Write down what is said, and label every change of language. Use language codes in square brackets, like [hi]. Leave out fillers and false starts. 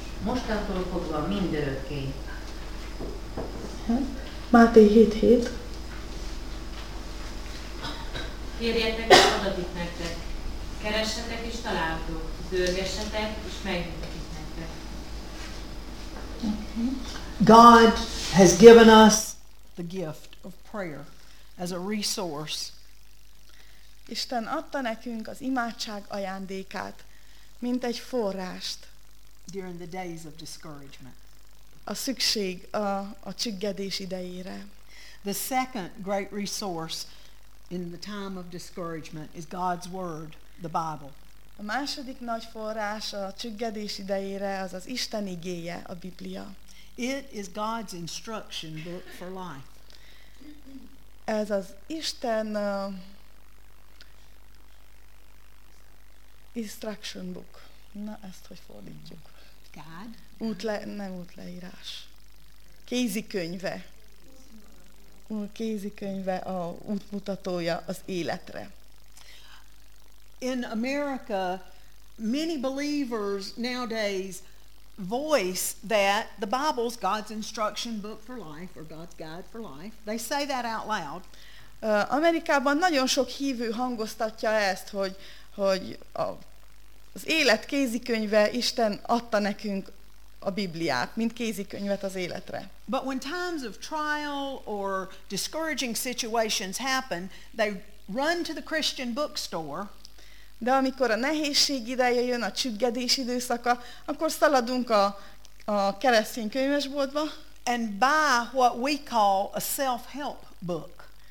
[hu] Mostantól fogva mindörökké. Máté 7:7. Kérjetek, és adatik nektek. Keressetek, és találtok. Zörgessetek, és megnyitok. [en] God has given us the gift of prayer as a resource. [hu] Isten adta nekünk az imádság ajándékát, mint egy forrást. [en] During the days of discouragement. [hu] A szükség a csüggedés idejére. [en] The second great resource in the time of discouragement is God's word, the Bible. [hu] A második nagy forrás a csüggedés idejére az az Isten igéje, a Biblia. [en] It is God's instruction book for life. [hu] Ez az Isten [en] instruction book. [hu] Na, ezt hogy fordítjuk? [en] God? [hu] Útleírás. Kézikönyve. Kézikönyve a útmutatója az életre. [en] In America, many believers nowadays voice that the Bible's God's instruction book for life, or God's guide for life. They say that out loud. [hu] Amerikában nagyon sok hívő hangoztatja ezt, hogy az élet kézikönyve, Isten adta nekünk a Bibliát, mint kézikönyvet az életre. [en] But when times of trial or discouraging situations happen, they run to the Christian bookstore. [hu] De amikor a nehézség ideje jön, a csüggedés időszaka, akkor szaladunk a keresztény könyvesboltba. [en] And buy what we call a self-help book.